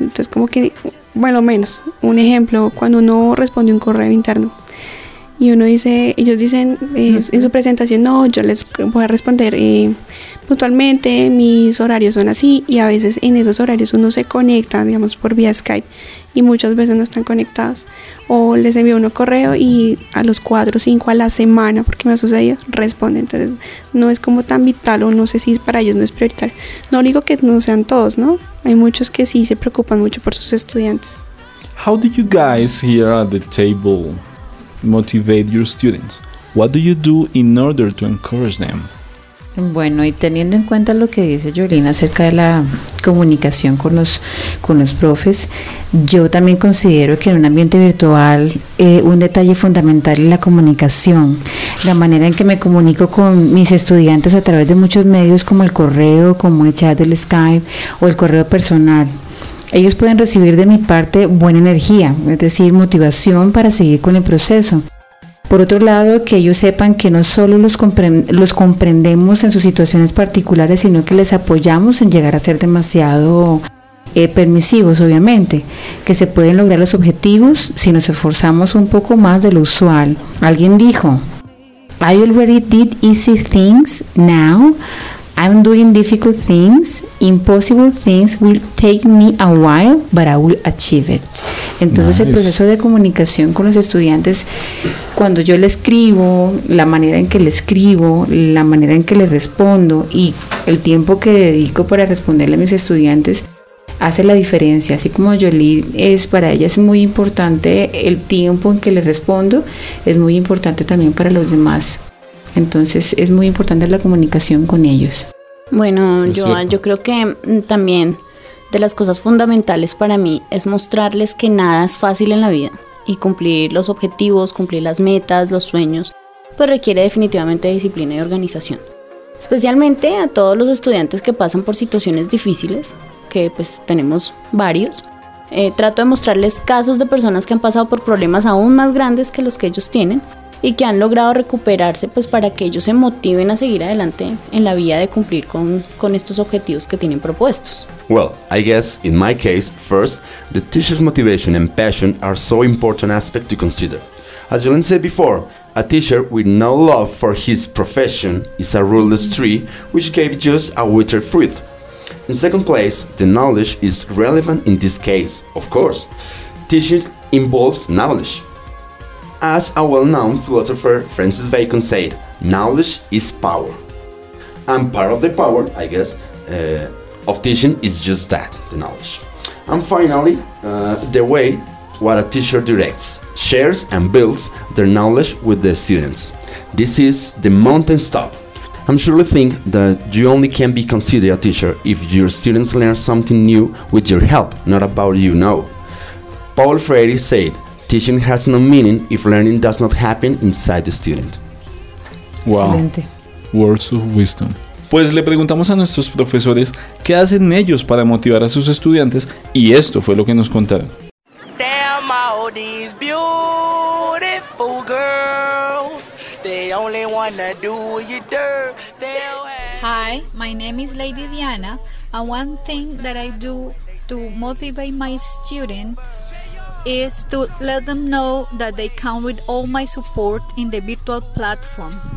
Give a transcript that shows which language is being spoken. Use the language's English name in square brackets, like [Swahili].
[Spanish] Entonces como que, bueno, menos, un ejemplo, cuando uno responde un correo interno, y uno dice, ellos dicen en su presentación, no, yo les voy a responder puntualmente, mis horarios son así, y a veces en esos horarios uno se conecta, digamos, por vía Skype, y muchas veces no están conectados. O les envío uno correo y a los 4 o 5 a la semana, porque me ha sucedido, responden. Entonces, no es como tan vital, o no sé si para ellos no es prioritario. No digo que no sean todos, ¿no? Hay muchos que sí se preocupan mucho por sus estudiantes. [English] How did you guys here at the table motivate your students? What do you do in order to encourage them? [Spanish] Bueno, y teniendo en cuenta lo que dice Jolene acerca de la comunicación con los profes, yo también considero que en un ambiente virtual un detalle fundamental es la comunicación. La manera en que me comunico con mis estudiantes a través de muchos medios como el correo, como el chat del Skype o el correo personal. Ellos pueden recibir de mi parte buena energía, es decir, motivación para seguir con el proceso. Por otro lado, que ellos sepan que no solo los comprendemos en sus situaciones particulares, sino que les apoyamos en llegar a ser demasiado permisivos, obviamente. Que se pueden lograr los objetivos si nos esforzamos un poco más de lo usual. Alguien dijo, [English] I already did easy things now. I'm doing difficult things, impossible things will take me a while, but I will achieve it. [Spanish] Entonces, [English] nice. [Spanish] El proceso de comunicación con los estudiantes, cuando yo le escribo, la manera en que le escribo, la manera en que le respondo y el tiempo que dedico para responderle a mis estudiantes, hace la diferencia. Así como Jolie, es para ella es muy importante el tiempo en que le respondo, es muy importante también para los demás. Entonces es muy importante la comunicación con ellos. Bueno, Joan, yo creo que también de las cosas fundamentales para mí es mostrarles que nada es fácil en la vida y cumplir los objetivos, cumplir las metas, los sueños, pues requiere definitivamente disciplina y organización. Especialmente a todos los estudiantes que pasan por situaciones difíciles, que pues tenemos varios, trato de mostrarles casos de personas que han pasado por problemas aún más grandes que los que ellos tienen. y que han logrado recuperarse, pues para que ellos se motiven a seguir adelante en la vía de cumplir con estos objetivos que tienen propuestos. [English] Well, I guess in my case, first, the teacher's motivation and passion are so important aspect to consider. As Jolene said before, a teacher with no love for his profession is a rootless tree which gave just a withered fruit. In second place, the knowledge is relevant in this case, of course. Teaching involves knowledge. As a well-known philosopher Francis Bacon said, knowledge is power. And part of the power, I guess, of teaching is just that, the knowledge. And finally, the way what a teacher directs, shares and builds their knowledge with the students. This is the mountain top. I'm sure you think that you only can be considered a teacher if your students learn something new with your help, not about you, no. Paul Freire said, teaching has no meaning if learning does not happen inside the student. Wow. [Spanish] Excelente. [English] Words of wisdom. [Spanish] Pues le preguntamos a nuestros profesores qué hacen ellos para motivar a sus estudiantes y esto fue lo que nos contaron. [English] Damn all these beautiful girls, they only wanna do you dirty. Hi, my name is Lady Diana, and one thing that I do to motivate my students is to let them know that they count with all my support in the virtual platform.